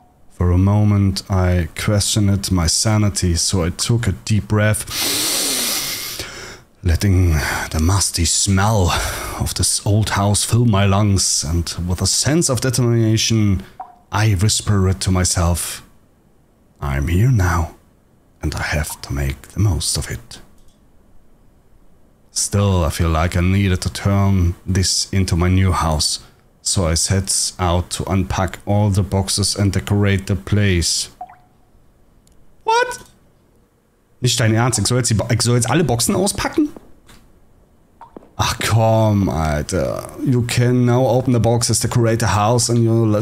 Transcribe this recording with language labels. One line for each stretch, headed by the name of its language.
English: For a moment, I questioned my sanity, so I took a deep breath, letting the musty smell of this old house fill my lungs, and with a sense of determination, I whispered to myself, I'm here now, and I have to make the most of it. Still, I feel like I needed to turn this into my new house, so I set out to unpack all the boxes and decorate the place. What?
German: Nicht dein Ernst, ich soll jetzt alle Boxen auspacken? Ach komm, Alter.
English: You can now open the boxes, decorate the house and you'll...